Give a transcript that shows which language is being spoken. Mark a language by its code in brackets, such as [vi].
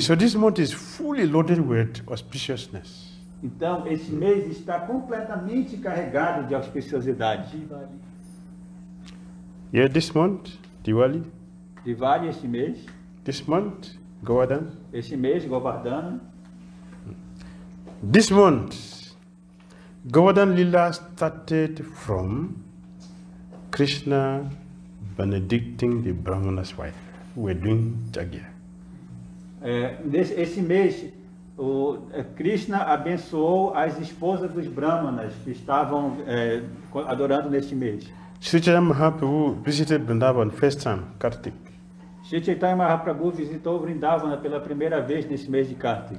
[en] So this month is fully loaded with auspiciousness. [pt] Então este mês está completamente carregado de auspiciosidade. [en] Yeah, this month, Diwali. [pt] Diwali este mês. [en] This month, Govardhan. [pt] Este mês, Govardhan. [en] This month, Govardhan Lila started from Krishna benedicting the Brahmana's wife. We're doing Jagya. [pt] Este mês, Krishna abençoou as esposas dos Brahmanas que estavam adorando neste mês. [en] Sri Chaitanya Mahaprabhu visited Vrindavan first time, Kartik. [pt] Sri Chaitanya Mahaprabhu visitou Vrindavan pela primeira vez neste mês de Kartik.